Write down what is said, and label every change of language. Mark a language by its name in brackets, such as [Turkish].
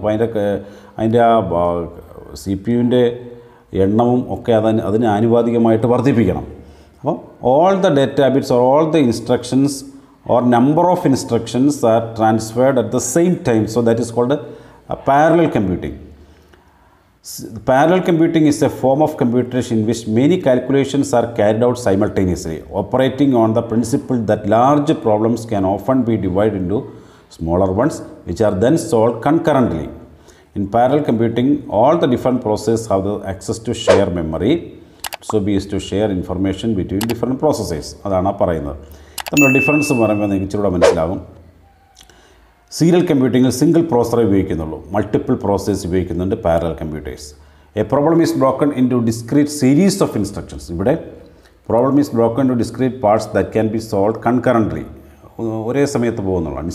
[Malayalam] അപ്പോൾ അതിൻ്റെ ആ സി പി യുവിൻ്റെ എണ്ണവും ഒക്കെ അതിന് ആനുപാതികമായിട്ട് വർദ്ധിപ്പിക്കണം. [English] അപ്പം all the data bits or all the instructions or number of instructions are transferred at the same time. So that is called parallel computing. Parallel computing is a form of computation in which many calculations are carried out simultaneously, operating on the principle that large problems can often be divided into smaller ones, which are then solved concurrently. In parallel computing, all the different processes have the access to share memory, so be used to share information between different processes. [Malayalam] അതാണ് പറയുന്നത്. നമ്മൾ difference പറയുമ്പോൾ നിങ്ങൾക്കിവിടെ മനസ്സിലാകും. Serial കമ്പ്യൂട്ടിങ്ങിൽ single പ്രോസസറേ ഉപയോഗിക്കുന്നുള്ളൂ, multiple process ഉപയോഗിക്കുന്നുണ്ട് parallel computers. [English] A problem is broken into discrete series of instructions. ഇവിടെ problem is broken to discrete parts that can be solved concurrently, [Malayalam] ഒരേ സമയത്ത് പോകുന്നുള്ളൂ.